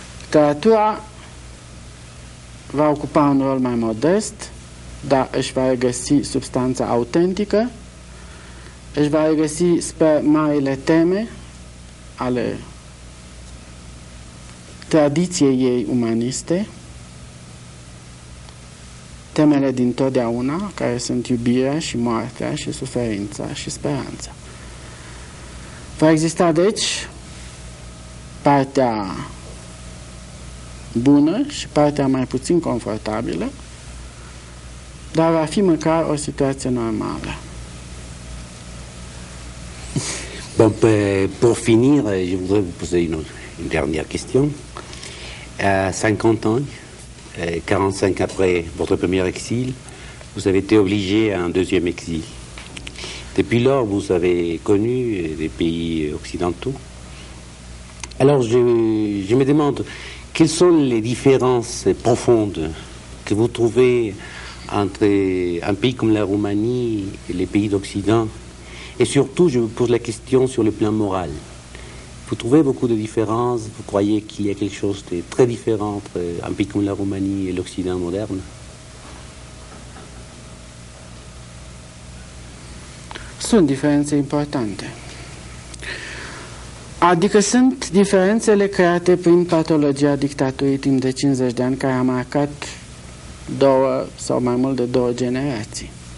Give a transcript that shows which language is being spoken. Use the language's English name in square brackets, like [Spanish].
[Romanian] Literatura va ocupa un rol mai modest, dar își va regăsi substanța autentică, își va regăsi spre marile teme ale tradiției ei umaniste, temele dintotdeauna, care sunt iubirea și moartea și suferința și speranța. Va exista, deci, partea bună și partea mai puțin confortabilă, dar va fi măcar o situație normală. [French] Bon, pour finir, je voudrais vous poser une dernière question. À 50 ans, 45 après votre premier exil, vous avez été obligé à un deuxième exil. Depuis lors, vous avez connu des pays occidentaux. Alors, je me demande, quelles sont les différences profondes que vous trouvez entre un pays comme la Roumanie et les pays d'Occident? Et surtout, je vous pose la question sur le plan moral. Vous trouvez beaucoup de différences? Vous croyez qu'il y a quelque chose de très différent entre un pays comme la Roumanie et l'Occident moderne? [Romanian] Sunt diferențe importante. Adică sunt diferențele create prin patologia dictaturii timp de 50 de ani care a marcat două sau mai mult de două generații.